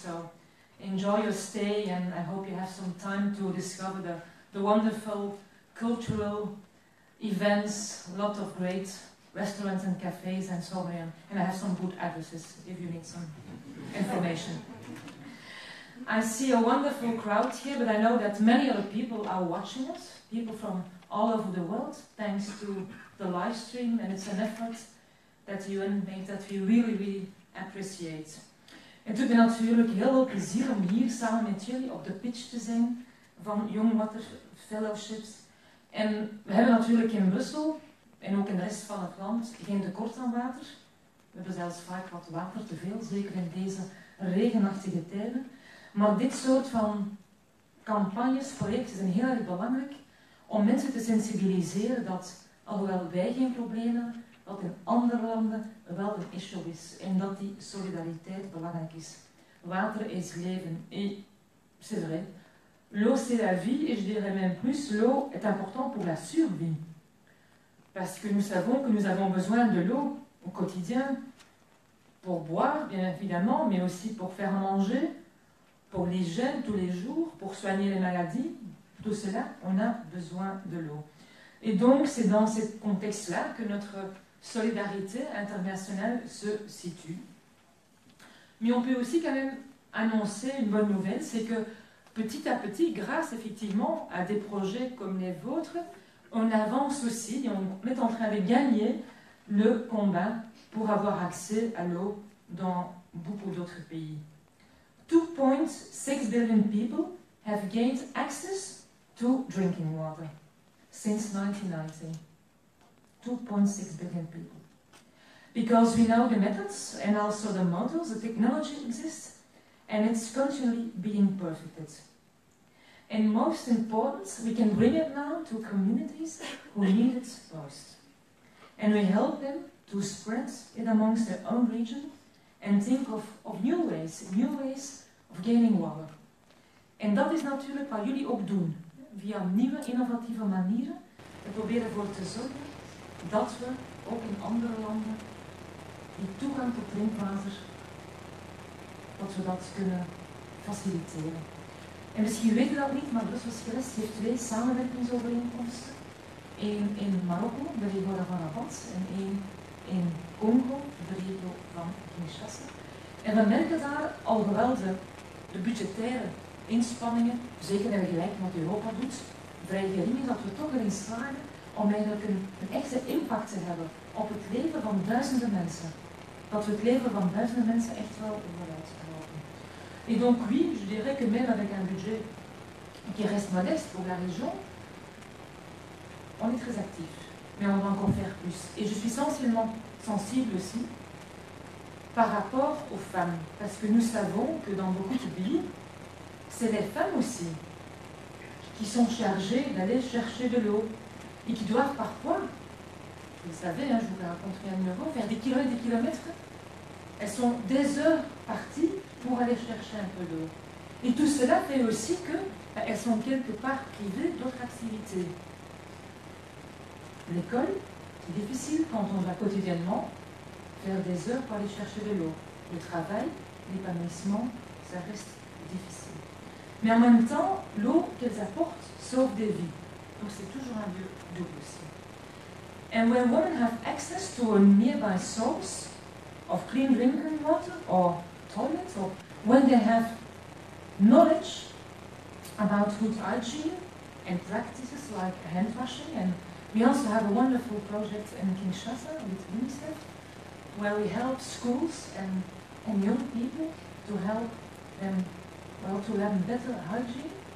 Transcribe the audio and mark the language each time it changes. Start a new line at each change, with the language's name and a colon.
English: So enjoy your stay, and I hope you have some time to discover the wonderful cultural events, lot of great restaurants and cafes and so on, and I have some good addresses if you need some information. I see a wonderful crowd here, but I know that many other people are watching us, people from all over the world, thanks to the live stream, and it's an effort that the UN made that we really, really appreciate.
Dutch: Het doet me natuurlijk heel veel plezier om hier samen met jullie op de pitch te zijn van Young Water Fellowships. En we hebben natuurlijk in Brussel en ook in de rest van het land geen tekort aan water. We hebben zelfs vaak wat water te veel, zeker in deze regenachtige tijden. Maar dit soort van campagnes, projecten zijn heel erg belangrijk om mensen te sensibiliseren dat, alhoewel wij geen problemen, dat in andere landen wel een issue is en dat die solidariteit belangrijk is. Water is leven.
French: Et c'est vrai. L'eau, c'est la vie. Et je dirais même plus, l'eau est important pour la survie. Parce que nous savons que nous avons besoin de l'eau au quotidien pour boire, bien évidemment, mais aussi pour faire manger, pour l'hygiène tous les jours, pour soigner les maladies. Tout cela, on a besoin de l'eau. Et donc, c'est dans ce contexte-là que notre solidarité internationale se situe. Mais on peut aussi quand même annoncer une bonne nouvelle, c'est que petit à petit, grâce effectivement à des projets comme les vôtres, on avance aussi et on est en train de gagner le combat pour avoir accès à l'eau dans beaucoup d'autres pays.
English: 2.6 billion people have gained access to drinking water since 1990. 2.6 billion people. Because we know the methods and also the models, the technology exists, and it's continually being perfected. And most important, we can bring it now to communities who need it most. And we help them to spread it amongst their own region and think of new ways of gaining water.
Dutch: En dat is natuurlijk wat jullie ook doen, via nieuwe innovatieve manieren. We proberen ervoor te zorgen dat we ook in andere landen die toegang tot drinkwater, dat we dat kunnen faciliteren. En misschien weten we dat niet, maar Brussel Gres heeft twee samenwerkingsovereenkomsten. Eén in Marokko, de regio van Rabat, en één in Congo, de regio van Kinshasa. En we merken daar al wel de budgettaire inspanningen, zeker in vergelijking met wat Europa doet, vrij gering is dat we toch erin slagen om eigenlijk een echte impact te hebben op het leven van duizenden mensen. Dat we het leven van duizenden mensen echt wel vooruit helpen.
French: En donc oui, je dirais que même avec un budget qui reste modeste pour la région, on est très actif, mais on va encore faire plus. Et je suis sensible aussi par rapport aux femmes, parce que nous savons que dans beaucoup de pays, c'est les femmes aussi qui sont chargées d'aller chercher de l'eau et qui doivent parfois, vous le savez, hein, je vous l'ai rencontré à Nouveau, faire des kilomètres et des kilomètres. Elles sont des heures parties pour aller chercher un peu d'eau. Et tout cela fait aussi qu'elles sont quelque part privées d'autres activités. L'école, c'est difficile quand on va quotidiennement faire des heures pour aller chercher de l'eau. Le travail, l'épanouissement, ça reste difficile. Mais en même temps, l'eau qu'elles apportent sauve des vies. Donc c'est toujours un lieu double aussi.
English: And when women have access to a nearby source of clean drinking water or toilets, or when they have knowledge about good hygiene and practices like hand washing, and we also have a wonderful project in Kinshasa with UNICEF, where we help schools and young people to help them, well, to learn better hygiene.